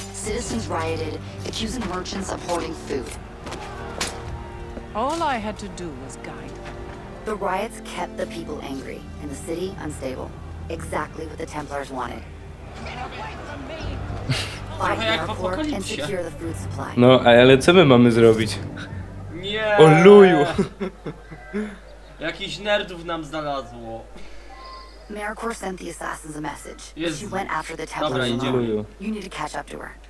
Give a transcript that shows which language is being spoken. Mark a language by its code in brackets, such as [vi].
[en] Citizens rioted, accusing merchants of hoarding food. All I had to do was guide them. The riots kept the people angry and the city unstable. Exactly what the Templars wanted. Fight their port and secure the food supply. [pl] No, ale co my mamy zrobić? Nie. O luju! Jakiś nerdów nam znalazło. [en] Maricor sent the assassins a message. Yes. She went after the Templars. Dobra, you need to catch up to her.